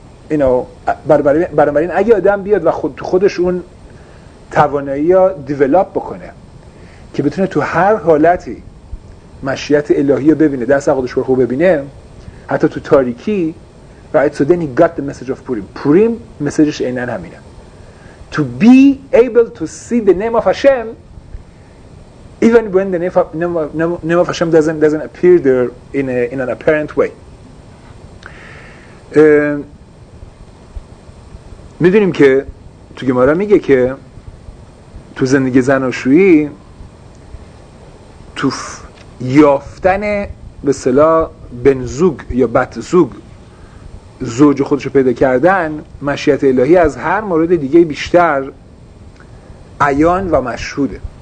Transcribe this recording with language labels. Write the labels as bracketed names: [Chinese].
[English] you know, [Persian] بنابراین اگه آدم بیاد و خود تو خودش اون توانایی رو دیولاپ بکنه که بتونه تو هر حالتی مشیت الهی رو ببینه، دست خودش رو خوب ببینه، حتی تو تاریکی، [English] right, so then he got the message of Purim. [Persian] Purim, مسیجش اینن همینه. [English] To be able to see the name of Hashem, even when the name of Hashem doesn't appear there in an apparent way. [Persian] میدونیم که تو گمارا میگه که تو زندگی زناشویی تو یافتن به صلاح بنزوگ یا بدزوگ زوج خودشو پیدا کردن، مشیت الهی از هر مورد دیگه بیشتر عیان و مشهوده.